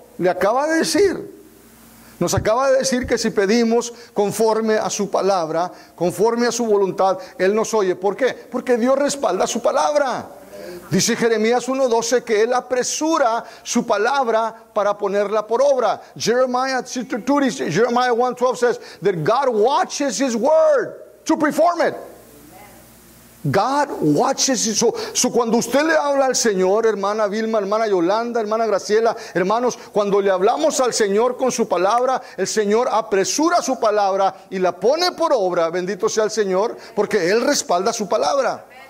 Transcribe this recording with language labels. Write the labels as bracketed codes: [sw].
[es] Le acaba de decir. Nos acaba de decir que si pedimos conforme a su palabra, conforme a su voluntad, Él nos oye. ¿Por qué? Porque Dios respalda su palabra. Dice Jeremías 1:12 que Él apresura su palabra para ponerla por obra. [en] Jeremiah 1:12 says that God watches His word to perform it. God watches. [es] So cuando usted le habla al Señor, hermana Vilma, hermana Yolanda, hermana Graciela, hermanos, cuando le hablamos al Señor con su palabra, el Señor apresura su palabra y la pone por obra. Bendito sea el Señor, porque Él respalda su palabra.